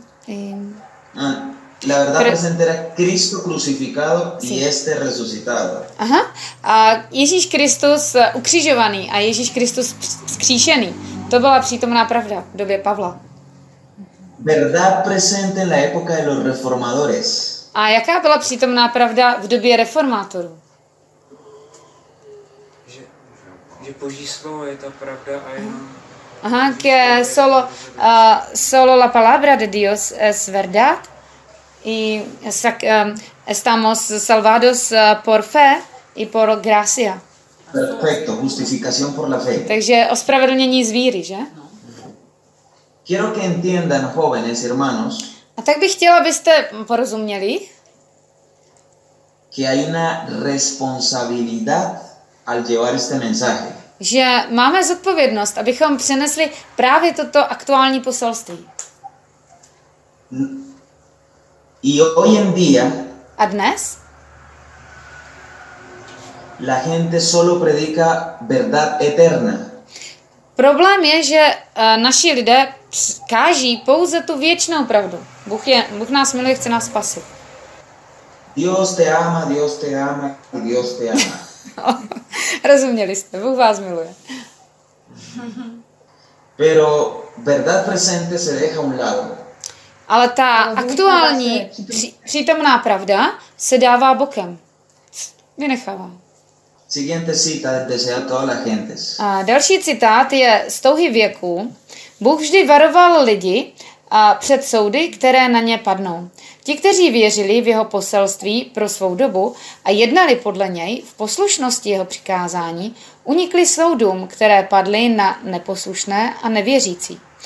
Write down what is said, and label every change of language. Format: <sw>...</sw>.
<es>La verdad presente era Cristo crucificado y este resucitado.</es> <cs>Ježíš Kristus ukřižovaný a Ježíš Kristus vzkříšený. To byla přítomná pravda v době Pavla.</cs> <es>Verdad presente en la época de los reformadores.</es> <cs>A jaká byla přítomná pravda v době reformátorů? Že Boží slovo je ta pravda a jenom...</cs> <es>Que solo, solo la palabra de Dios es verdad. Y estamos salvados por fe y por gracia. Perfecto, justificación por la fe.</es> <cs>Takže ospravedlnění z víry, že?</cs> <es>Quiero que entiendan, jóvenes, hermanos.</es> <cs>A tak bych chtěla, abyste porozuměli.</cs> <es>Que hay una responsabilidad al llevar este mensaje.</es> <cs>Že máme zodpovědnost, abychom přinesli právě toto aktuální poselství.</cs> <es>Y hoy en día,</es> <cs>a dnes?</cs> <es>La gente solo predica verdad eterna.</es> <cs>Problém je, že naši lidé káží pouze tu věčnou pravdu. Bůh nás miluje, chce nás spasit.</cs> <es>Dios te ama, Dios te ama, Dios te ama.</es> <cs>Rozuměli jste, Bůh vás miluje.</cs> <es>Pero verdad presente se deja a un lado.</es> <cs>Ale ta aktuální přítomná pravda se dává bokem. Vynechává.</cs> <es>Siguiente cita desea todas las gentes.</es> <cs>A další citát je z touhy věku. Bůh vždy varoval lidi před soudy, které na ně padnou. Ti, kteří věřili v jeho poselství pro svou dobu a jednali podle něj v poslušnosti jeho přikázání, unikli soudům, které padly na neposlušné a nevěřící.</cs>